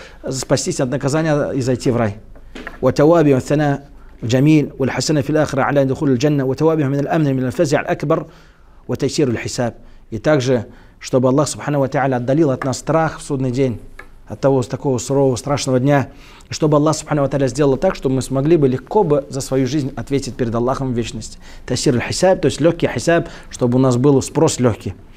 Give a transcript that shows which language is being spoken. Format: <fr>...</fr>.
<ru>Спастись от наказания и зайти в рай.</ru> <ar>وتوابع الثناء جميل والحسنة في الآخرة على دخول الجنة وتوابعها من الأمن من الفزع الأكبر وتيسير الحساب.</ar> <ru>И также, чтобы Аллах Субханаху ва Тааля отдалил от нас страх в судный день, от того такого сурового страшного дня, и чтобы Аллах Субханаху ва Тааля сделал так, чтобы мы смогли бы легко бы за свою жизнь ответить перед Аллахом в вечности. Тайсир аль-хисаб, то есть легкий хисаб, чтобы у нас был спрос легкий.</ru>